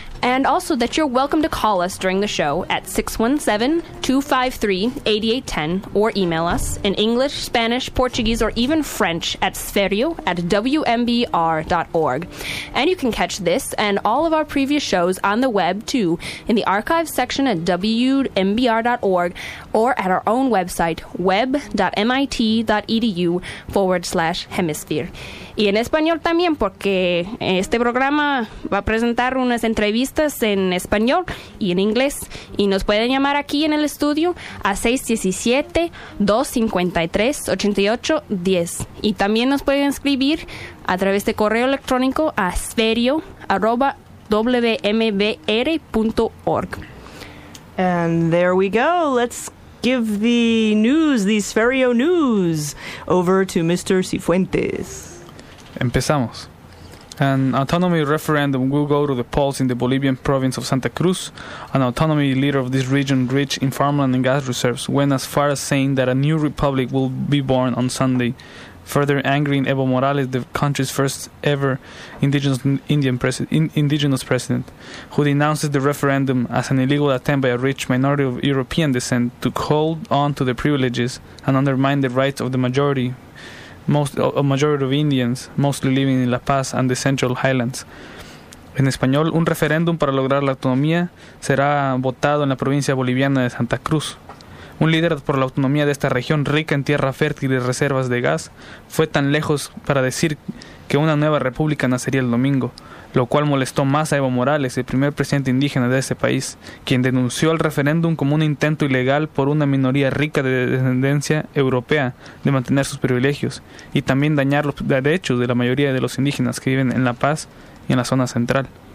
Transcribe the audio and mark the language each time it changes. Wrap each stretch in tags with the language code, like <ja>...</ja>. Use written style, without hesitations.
<en>And also that you're welcome to call us during the show at 617-253-8810 or email us in English, Spanish, Portuguese, or even French at sferio@wmbr.org. And you can catch this and all of our previous shows on the web, too, in the archives section at wmbr.org or at our own website, web.mit.edu/hemisphere.</en> <es>Y en español también, porque este programa va a presentar unas entrevistas en español y en inglés. Y nos pueden llamar aquí en el estudio a 617-253-8810. Y también nos pueden escribir a través de correo electrónico a sferio@wmbr.org.</es> <en>And there we go. Let's give the news, the Sferio news, over to Mr. Cifuentes.</en> <es>Empezamos.</es> <en>An autonomy referendum will go to the polls in the Bolivian province of Santa Cruz. An autonomy leader of this region, rich in farmland and gas reserves, went as far as saying that a new republic will be born on Sunday, further angering Evo Morales, the country's first ever indigenous president, who denounces the referendum as an illegal attempt by a rich minority of European descent to hold on to the privileges and undermine the rights of the majority. A majority of Indians, mostly living in La Paz and the Central Highlands.</en> <es>En español, un referéndum para lograr la autonomía será votado en la provincia boliviana de Santa Cruz. Un líder por la autonomía de esta región rica en tierra fértil y reservas de gas fue tan lejos para decir que una nueva república nacería el domingo, lo cual molestó más a Evo Morales, el primer presidente indígena de ese país, quien denunció el referéndum como un intento ilegal por una minoría rica de descendencia europea de mantener sus privilegios y también dañar los derechos de la mayoría de los indígenas que viven en La Paz y en la zona central.</es>